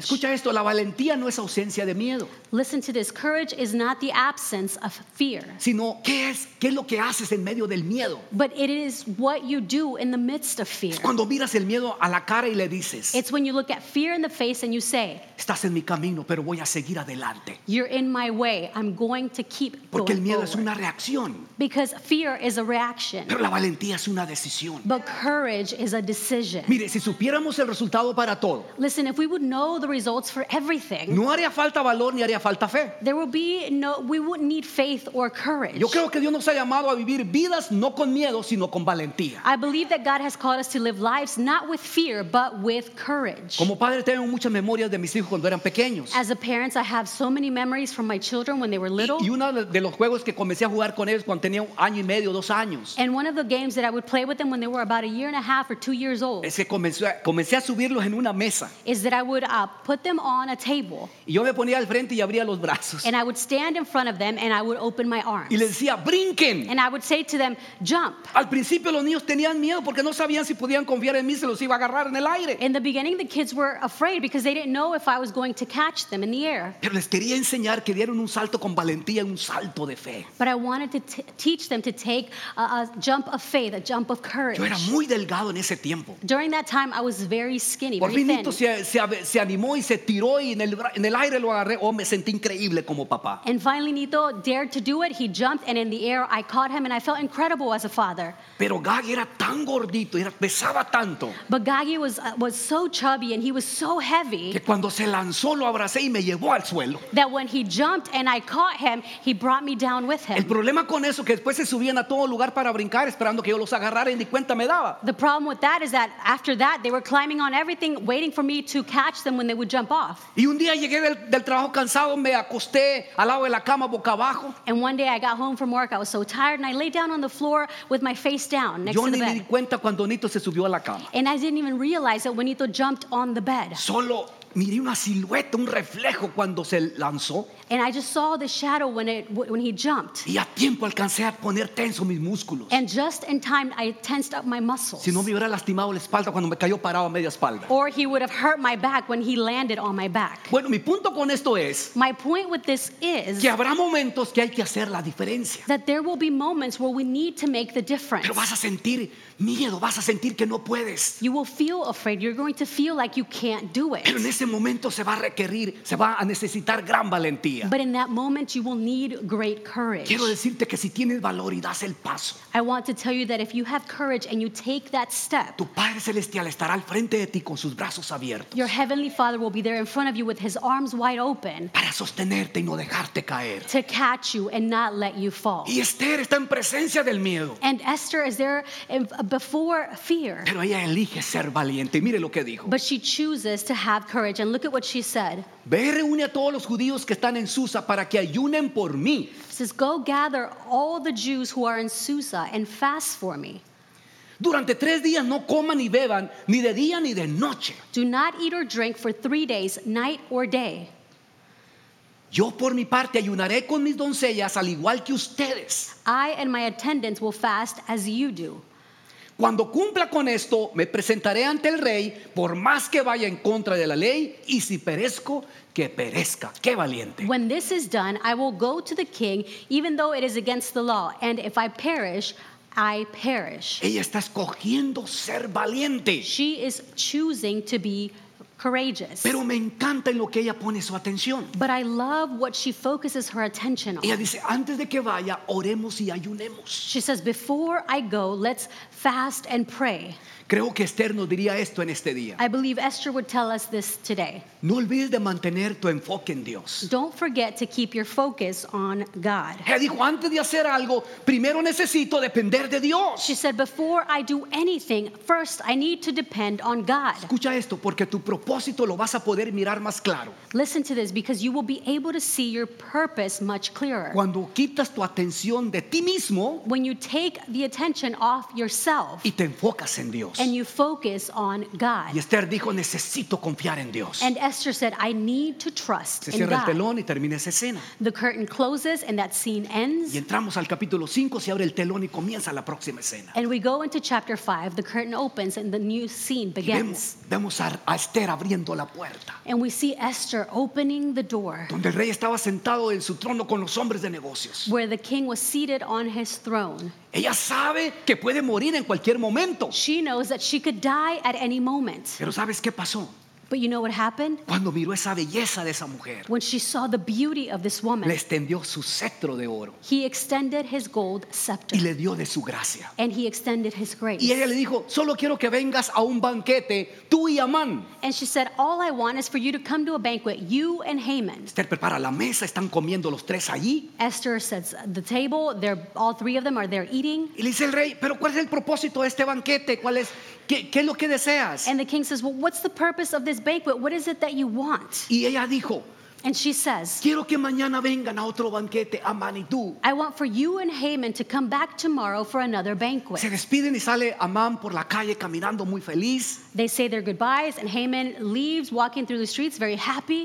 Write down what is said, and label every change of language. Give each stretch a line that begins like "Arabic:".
Spanish: Escucha esto, la valentía no es ausencia de miedo.
English: Listen to this, courage is not the absence of fear.
Spanish: Sino qué es lo que haces en medio del miedo.
English: But it is what you do in the midst of fear.
Spanish: Es cuando miras el miedo a la cara y le dices.
English: It's when you look at fear in the face and you say.
Spanish: Estás en mi camino, pero voy a seguir adelante.
English: You're in my way, I'm going to keep going.
Spanish: Porque el miedo
English: forward.
Spanish: Es una reacción.
English: Because fear is a reaction.
Spanish: Pero la valentía es una decisión.
English: But courage is a decision.
Spanish: Mire, si supiéramos el resultado para todo.
English: Listen, if we would know the results for everything.
Spanish: No haría falta valor ni haría falta fe.
English: There will be no, we wouldn't need faith or courage.
Spanish: Yo creo que Dios nos ha llamado a vivir vidas no con miedo, sino con valentía.
English: I believe that God has called us to live lives not with fear, but with courage.
Spanish: Como padre tengo muchas memorias de mis hijos cuando eran pequeños.
English: As a parent, I have so many memories from my children when they were little.
Spanish: Y uno de los juegos que comencé a jugar con ellos cuando tenía año y medio, dos años.
English: And one of the games that I would play with them when they were about a year and a half or 2 years old.
Spanish: Es que comencé a subirlos en una mesa.
English: Is that I would put them on a table.
Spanish: Y yo me ponía al frente y abría los brazos.
English: And I would stand in front of them and I would open my arms.
Spanish: Y les decía, brinquen.
English: And I would say to them, jump.
Spanish: Al principio los niños tenían miedo porque no sabían si podían confiar en mí, se los iba a agarrar en el aire.
English: In the beginning, the kids were afraid because they didn't know if I was going to catch them in the air.
Spanish: Pero les quería enseñar que dieron un salto con valentía, un salto de fe.
English: But I wanted to teach them to take a jump of faith, a jump of courage.
Spanish: Yo era muy delgado en ese tiempo.
English: During that time, I was very skinny,
Spanish: por
English: very thin.
Spanish: Se animó y se tiró y en el aire lo agarré. Oh, me sentí increíble como papá.
English: And finally, Nito dared to do it. He jumped and in the air, I caught him and I felt incredible as a father.
Spanish: Pero Gagi era tan gordito, pesaba tanto.
English: But Gagi was so chubby and he was so heavy.
Spanish: Que cuando se lanzó, lo abracé y me llevó al suelo.
English: That when he jumped and I caught him, he brought me down with him.
Spanish: El problema con eso que después se subían a todo lugar para brincar esperando que yo los agarrara y ni cuenta me daba.
English: The problem with that is that after that they were climbing on everything waiting for me to catch them when they would jump off.
Spanish: Y un día llegué del trabajo cansado, me acosté al lado de la cama boca abajo.
English: And one day I got home from work, I was so tired and I lay down on the floor with my face down next
Spanish: yo
English: to the bed.
Spanish: Yo ni di cuenta cuando Nito se subió a la cama.
English: And I didn't even realize that when Nito jumped on the bed.
Spanish: Solo miré una silueta, un reflejo cuando se lanzó.
English: And I just saw the shadow when he jumped.
Spanish: Y a tiempo alcancé a poner tenso mis músculos.
English: And just in time, I tensed up my muscles.
Spanish: Si no me hubiera lastimado la espalda cuando me cayó parado a media espalda.
English: Or he would have hurt my back when he landed on my back.
Spanish: Bueno, mi punto con esto es.
English: My point with this is.
Spanish: Que habrá momentos que hay que hacer la diferencia.
English: That there will be moments where we need to make the difference.
Spanish: Pero vas a sentir miedo, vas a sentir que no puedes.
English: You will feel afraid. You're going to feel like you can't do it.
Spanish: Pero en ese momento se va a necesitar gran valentía.
English: But in that moment, you will need great courage.
Spanish: Quiero decirte que si tienes valor y das el paso,
English: I want to tell you that if you have courage and you take that step,
Spanish: tu Padre Celestial estará al frente de ti con sus brazos abiertos.
English: Your Heavenly Father will be there in front of you with his arms wide open
Spanish: para sostenerte y no dejarte caer.
English: To catch you and not let you fall.
Spanish: Y Esther está en presencia del miedo.
English: And Esther is there before fear.
Spanish: Pero ella elige ser valiente. Mire lo que dijo.
English: But she chooses to have courage. And look at what she said.
Spanish: Ve y reúne a todos los judíos que están en Susa para que ayunen por mí.
English: It says, go gather all the Jews who are in Susa and fast for me.
Spanish: Durante 3 días no coman ni beban, ni de día ni de noche.
English: Do not eat or drink for 3 days, night or day.
Spanish: Yo por mi parte ayunaré con mis doncellas al igual que ustedes.
English: I and my attendants will fast as you do.
Spanish: Cuando cumpla con esto, me presentaré ante el rey, por más que vaya en contra de la ley, y si perezco, que perezca. ¡Qué valiente!
English: When this is done, I will go to the king, even though it is against the law, and if I perish, I perish.
Spanish: Ella está escogiendo ser valiente.
English: She is choosing to be courageous.
Spanish: Pero me encanta en lo que ella pone su atención.
English: But I love what she focuses her attention on.
Spanish: Ella dice, antes de que vaya, oremos y ayunemos.
English: She says, before I go, let's fast and pray.
Spanish: Creo que Esther nos diría esto en este día.
English: I believe Esther would tell us this today.
Spanish: No olvides de mantener tu enfoque en Dios.
English: Don't forget to keep your focus on God.
Spanish: Ella dijo, antes de hacer algo, primero necesito depender de Dios.
English: She said, before I do anything, first I need to depend on God.
Spanish: Escucha esto, porque tu propósito lo vas a poder mirar más claro.
English: Listen to this, because you will be able to see your purpose much clearer.
Spanish: Cuando quitas tu atención de ti mismo,
English: when you take the attention off yourself,
Spanish: y te enfocas en Dios.
English: and you focus on God.
Spanish: Y Esther dijo, necesito confiar en Dios.
English: And Esther said, I need to trust in God.
Spanish: El telón y termina esa escena.
English: The curtain closes and that scene ends.
Spanish: Y entramos al capítulo 5, se abre el telón y comienza la próxima escena.
English: And we go into chapter 5, the curtain opens and the new scene begins.
Spanish: Vemos a Esther abriendo la puerta.
English: And we see Esther opening the door.
Spanish: Donde el rey estaba sentado en su trono con los hombres de negocios.
English: Where the king was seated on his throne.
Spanish: Ella sabe que puede morir en cualquier momento.
English: She knows that she could die at any moment.
Spanish: Pero ¿sabes qué pasó?
English: But you know what happened?
Spanish: Cuando miró esa belleza de esa mujer.
English: When she saw the beauty of this woman.
Spanish: Le extendió su cetro de oro.
English: He extended his gold scepter.
Spanish: Y le dio de su gracia.
English: And he extended his grace.
Spanish: Y ella le dijo, solo quiero que vengas a un banquete, tú y Amán.
English: And she said, all I want is for you to come to a banquet, you and Haman.
Spanish: Esther prepara la mesa, están comiendo los tres allí.
English: Esther sets the table, they're all three of them are there eating.
Spanish: Y le dice el rey, pero ¿cuál es el propósito de este banquete? ¿Cuál es qué es lo que deseas?
English: And the king says, well, what's the purpose of this banquet? What is it that you want?
Spanish: Y ella dijo,
English: and she says,
Spanish: quiero que mañana vengan a otro banquete, Amán y tú.
English: I want for you and Haman to come back tomorrow for another banquet.
Spanish: Se despiden y sale Amán por la calle caminando muy feliz.
English: They say their goodbyes and Haman leaves walking through the streets very happy.